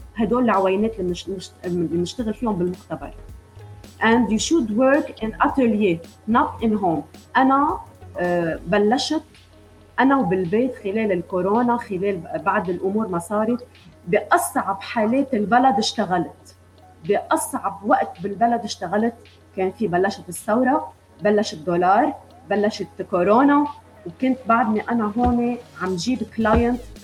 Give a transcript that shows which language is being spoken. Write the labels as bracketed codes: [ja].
[ar] هدول العوينات اللي نشتغل فيهم بالمختبر. [en] And you should work in atelier, not in home. [ar] أنا بلشت أنا وبالبيت خلال الكورونا، خلال بعد الأمور ما صارت، بأصعب حالات البلد اشتغلت، بأصعب وقت بالبلد اشتغلت. كان في بلشت الثورة، بلشت الدولار، بلشت كورونا، وكنت بعدني أنا هون عم جيب كلاينت.